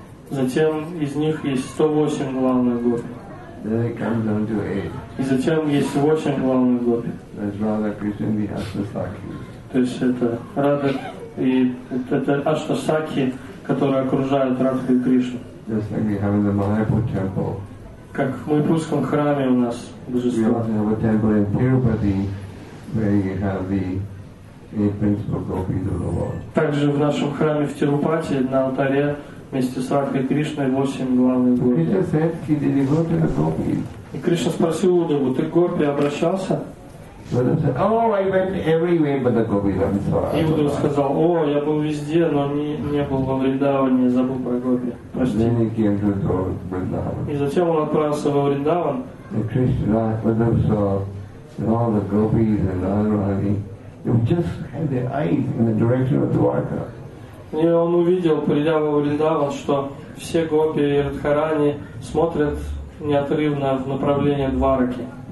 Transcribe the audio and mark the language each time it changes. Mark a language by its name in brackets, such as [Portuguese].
[Russian] Затем из них есть 108 главных гопи. [English] Then it comes down to eight. [Russian] И затем есть 8 главных гопи. [English] That's Radha, Krishna, the Ashtasakhi. [Russian] То есть это Радха и это Ашта-сакхи, которые окружают Радху и Кришну. [English] Just like we have in the Mayapur temple. [Russian] Как в Майпурском храме у нас божество. [English] We also have a temple in Tirupati, where you have the eight principal gopis of the Lord. [Russian] Также в нашем храме в Тирупати на алтаре вместе с Радхой и Кришной 8 главных гопи. [English] Krishna said, did you go to the gopi? [Russian] И Кришна спросил Удаву, ты к гопи обращался? [English] Said, oh, I went everywhere but the gopi. I'm sorry. [Russian] И Удава сказал, о, я был везде, но не был во Вриндаване, забыл про гопи. Прости. И затем он отправился во Вриндаван. [English] И Кришна, Удава saw all the gopis and Radharani, they just had their eyes in the direction of Dwarka. [Russian] И он увидел, придя во Вриндаван, что все гопи и Радхарани смотрят неотрывно в направлении Двараки.